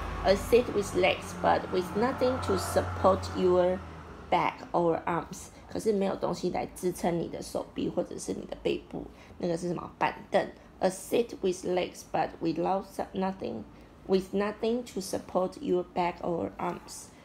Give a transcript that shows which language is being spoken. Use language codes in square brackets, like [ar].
[en] A seat with legs, but with nothing to support your back or arms. [zh] 可是没有东西来支撑你的手臂或者是你的背部。那个是什么？板凳。 [en] A seat with legs, but with nothing to support your back or arms.